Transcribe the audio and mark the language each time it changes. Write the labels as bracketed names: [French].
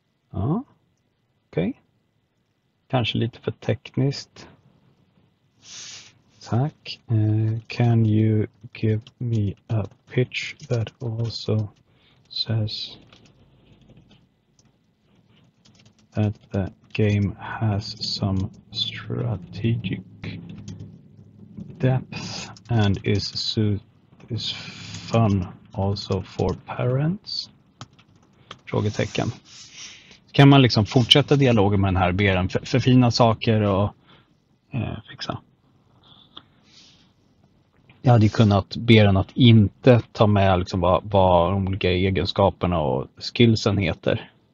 [Swedish] Ja, okej. Kanske lite för tekniskt. Tack. [English] Can you give me a pitch that also says that the game has some strategic depth and is fun also for parents? [Swedish] Frågetecken. Kan man liksom fortsätta dialogen med den här, be den förfina saker och fixa. Jag hade kunnat be den att inte ta med liksom vad de olika egenskaperna och skillsen heter.